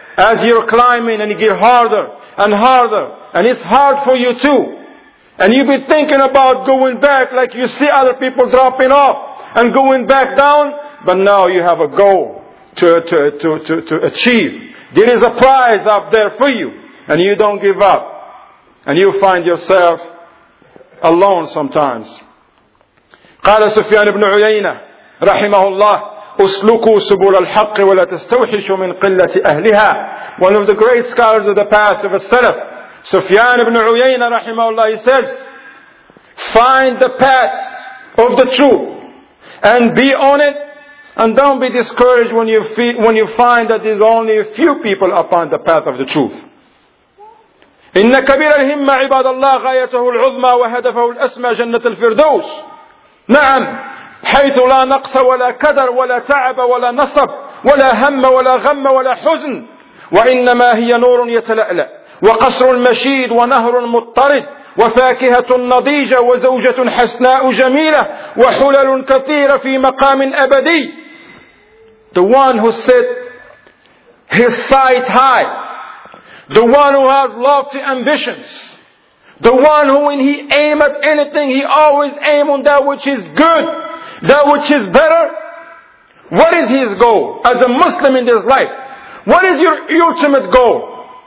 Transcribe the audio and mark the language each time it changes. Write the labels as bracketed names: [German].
[English] As you're climbing and you get harder and harder, and it's hard for you too, and you be thinking about going back, like you see other people dropping off and going back down, but now you have a goal to achieve. There is a prize up there for you, and you don't give up, and you find yourself alone sometimes. [Arabic] قال سفيان بن عيينة رحمه الله اسلكوا سبل الحق ولا تستوحشوا من قلة أهلها. [English] One of the great scholars of the past of the Salaf, Sufyan ibn Uyayna rahimahullah, he says, find the path of the truth and be on it, and don't be discouraged when you find that there's only a few people upon the path of the truth. [Arabic] إن كبير الهمة عباد الله غايته العظمى وهدفه الأسمى جنة الفردوس. نعم, حيث لا نقص ولا كدر ولا تعب ولا نصب ولا هم ولا غم ولا حزن, وإنما هي نور يتلألأ وقصر المشيد ونهر مضطرد وفاكهة نضيجة وزوجة حسناء جميلة وحلل كثيرة في مقام أبدي. [English] The one who set his sight high, the one who has lofty ambitions, the one who when he aims at anything, he always aims on that which is good, that which is better. What is his goal as a Muslim in this life? What is your ultimate goal?